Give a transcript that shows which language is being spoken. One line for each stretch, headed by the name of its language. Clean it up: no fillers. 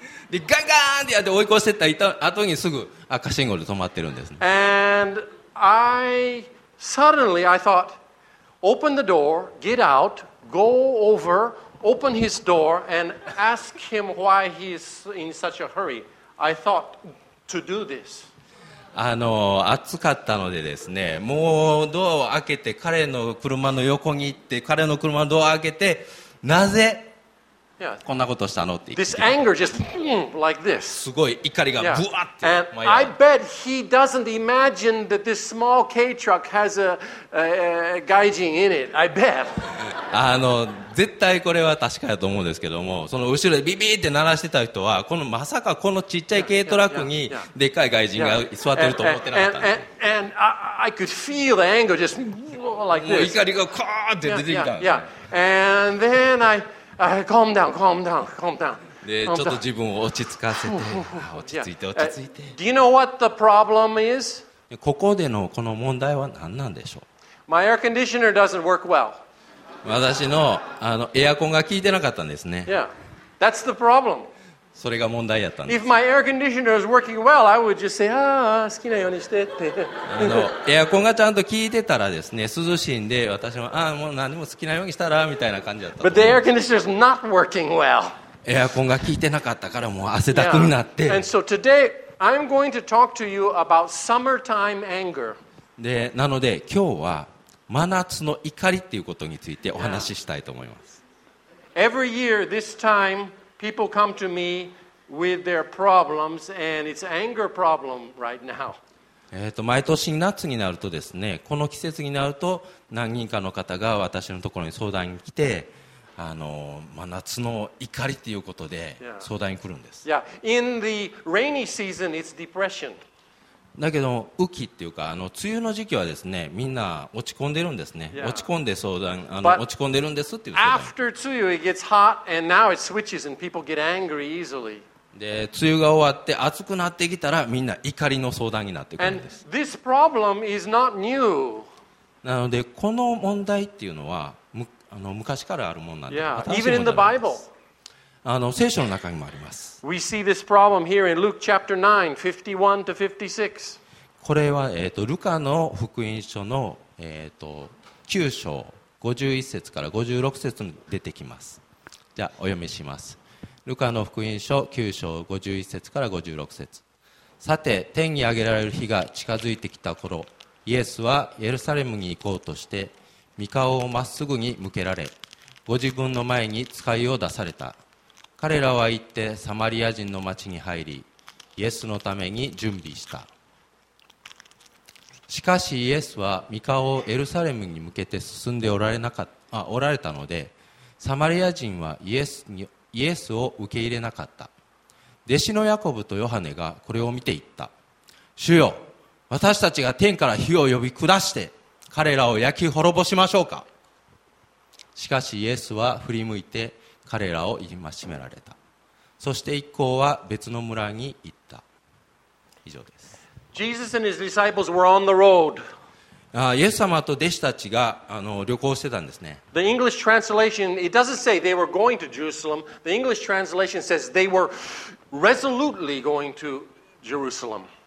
Japanese: でガンガンってやって追い越してった後にすぐ赤信号で止まってるんですね。
English: And I suddenly thought, open the door, get out, go over, open his door and ask him why he's in such a hurry. I thought to do this.
Japanese: 暑かったのでですね、もうドアを開けて彼の車の横に行って彼の車のドアを開けて、なぜ
English: Yeah.
Japanese: こんなことしたのって言って。
English: This anger just like this.
Japanese: すごい怒りがブワッて。
English: And I bet he doesn't imagine that this small K truck has a gaijin in it. I bet.
Japanese: 絶対これは確かだと思うんですけども、その後ろでビビって鳴らしてた人は、このまさかこのちっちゃい軽トラックにでっかい外人が座ってると思ってなかった。
English: And I could feel the anger just like this.
Japanese: もう怒りがカーって出てきた。
English: Yeah. And then I calm down.
Japanese: でちょっと自分を落ち着かせて、落ち着いて。
English: Do you know what the problem is?
Japanese: ここでのこの問題は何なんでしょう。
English: My air conditioner doesn't work well.
Japanese: 私のエアコンが効いてなかったんですね。
English: Yeah, that's the problem.
Japanese: それが問題やったんです。
English: If my air conditioner is working well, I would just say,
Japanese: 好きなようにしてって。エアコンがちゃんと効いてたらですね、涼しいんで、私も、もう何も好きなようにしたら、みたいな感じだった。
English: But the air conditioner is not working well.
Japanese: エアコンが効いてなかったから、もう汗だくになって。
English: Yeah. And so today, I'm going to talk to you about summertime anger.
Japanese: で、なので、今日は、真夏の怒りっていうことについてお話ししたいと思います。
English: Yeah. Every year, this time,People come to me with their problems, and it's anger problem right now.
Japanese: 毎年夏になるとですね、この季節になると何人かの方が私のところに相談に来て、夏の怒りということで相談に来るんです。
English: Yeah. Yeah. In the rainy season, it's depression.
Japanese: だけど雨季っていうか梅雨の時期はですね、みんな落ち込んでるんですね。 Yeah. 落ち込んで相談、落ち込んでるんですっていう。
English: After 梅雨 it gets hot and now it switches and people get angry easily.
Japanese: で梅雨が終わって暑くなってきたらみんな怒りの相談になってくるんです。
English: And this problem is not new.
Japanese: なのでこの問題っていうのは昔からあるものなんです。
English: Yeah. Even in the Bible.
Japanese: 聖書の中にもあります。
English: We see this problem here in Luke chapter 9, 51 to 56.
Japanese: これは、ルカの福音書の、9章51節から56節に出てきます。じゃあお読みします。ルカの福音書9章51節から56節。さて、天に上げられる日が近づいてきた頃、イエスはエルサレムに行こうとして、御顔をまっすぐに向けられ、ご自分の前に使いを出された。彼らは行ってサマリア人の町に入り、イエスのために準備した。しかしイエスは御顔をエルサレムに向けて進んでおられたので、サマリア人はイエスを受け入れなかった。弟子のヤコブとヨハネがこれを見て言った。主よ、私たちが天から火を呼び下して彼らを焼き滅ぼしましょうか。しかしイエスは振り向いて、彼らを戒められた。そして一行は別の村に行った。以上です。
English: Jesus and his disciples were on the road.
Japanese: イエス様と弟子たちが旅行してたんですね。
English: The English translation, it doesn't say they were going to Jerusalem. The English translation says they were resolutely going to Jerusalem.